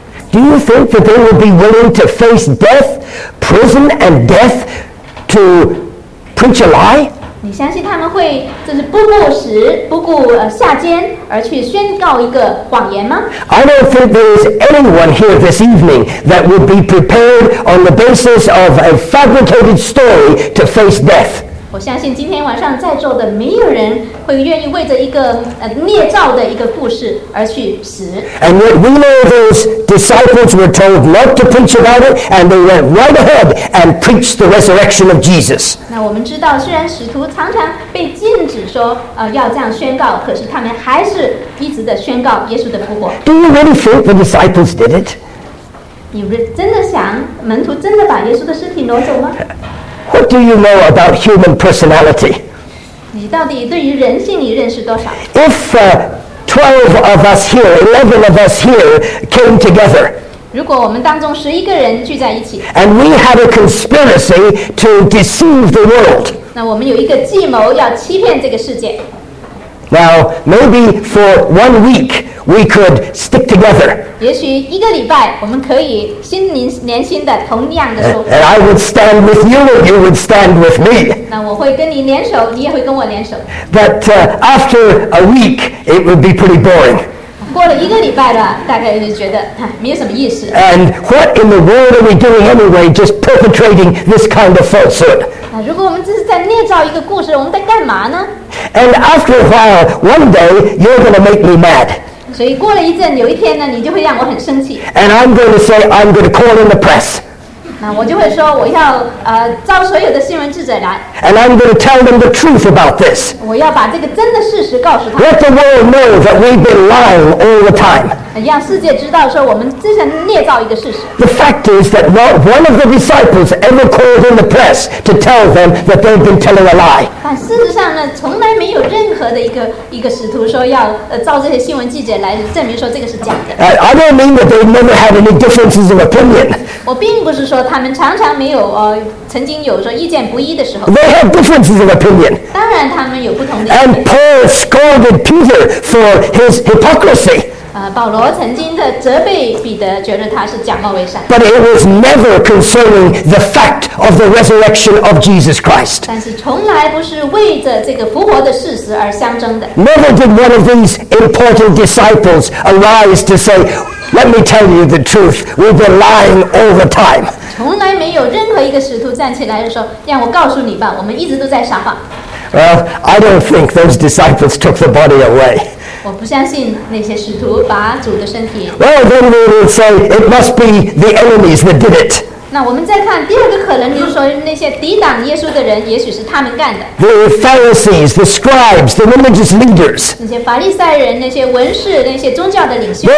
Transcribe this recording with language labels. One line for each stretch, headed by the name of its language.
English: Do you think that they would be willing to face death, prison, and death to preach a lie?
Chinese: 你相信他们会就是不顾死、不顾下监而去宣告一个谎言吗？
English: I don't think there is anyone here this evening that would be prepared on the basis of a fabricated story to face death.
Chinese: 我相信今天晚上在座的没有人会愿意为着一个捏造的一个故事而去死。
English: And yet we know those. Disciples were told not to preach about it, and they went right ahead and preached the resurrection of Jesus.
Chinese: 那我们知道，虽然使徒常常被禁止说要这样宣告，可是他们还是一直的宣告耶稣的复活。
English: Do you really think the disciples did it?
Chinese: 你真的想门徒真的把耶稣的尸体挪走吗？
English: What do you know about human personality?
Chinese: 你到底对于人性你认识多少？
English: If 12 of us here, 11 of us here came together.
Chinese: 如果我们当中十一个人聚在一起，
English: and we had a conspiracy to deceive the world.
Chinese: 那我们有一个计谋要欺骗这个世界。
English: Now, maybe for 1 week, we could stick together.
Chinese: 也许一个礼拜我们可以心灵连心的同样的说。
English: And I would stand with you, and you would stand with me.
Chinese: 那我会跟你联手，你也会跟我联手。
English: But after a week,It would be pretty boring.
Chinese: 过了一个礼拜了，大概就觉得没有什么意思。
English: And what in the world are we doing anyway? Just perpetrating this kind of falsehood.
Chinese: 如果我们这是在捏造一个故事，我们在干嘛呢？
English: And after a while, one day you're going to make me mad.
Chinese: 所以过了一阵，有一天呢，你就会让我很生气。
English: And I'm going to say I'm going to call in the press.
Chinese: 那我就会说我要招所有的新闻记者来。
English: And I'm going to tell them the truth about this.
Chinese: 我要把这个真的事实告诉他。
English: Let the world know that we've been lying all the time.
Chinese: 让世界知道说我们之前捏造一个事实。
English: The fact is that not one of the disciples ever called in the press to tell them that they've been telling a lie.
Chinese: 但事实上呢，从来没有任何的一个使徒说要照这些新闻记者来证明说这个是假的。
English: I don't mean that they never had any differences of opinion.
Chinese: 我并不是说他们常常没有曾经有说意见不一的时候。
English: They had differences of opinion.
Chinese: 当然他们有不同的。
English: And Paul scolded Peter for his hypocrisy.
Chinese: 保罗曾经的责备彼得，觉得他是假冒为善。
English: But it was never concerning the fact of the resurrection of Jesus Christ.
Chinese: 但是从来不是为着这个复活的事实而相争的。
English: Never did one of these important disciples arise to say, "Let me tell you the truth. We've been lying all the time."
Chinese: 从来没有任何一个使徒站起来说，让我告诉你吧，我们一直都在撒谎。
English: Well, I don't think those disciples took the body away.
Chinese: 我不相信那些使徒把主的身体。
English: Well, then we will say it must be the enemies that did it.
Chinese: 那我们再看第二个可能，就是说那些抵挡耶稣的人，也许是他们干的。
English: The Pharisees, the scribes, the religious leaders.
Chinese: 那些法利赛人，那些文士，那些宗教的领袖。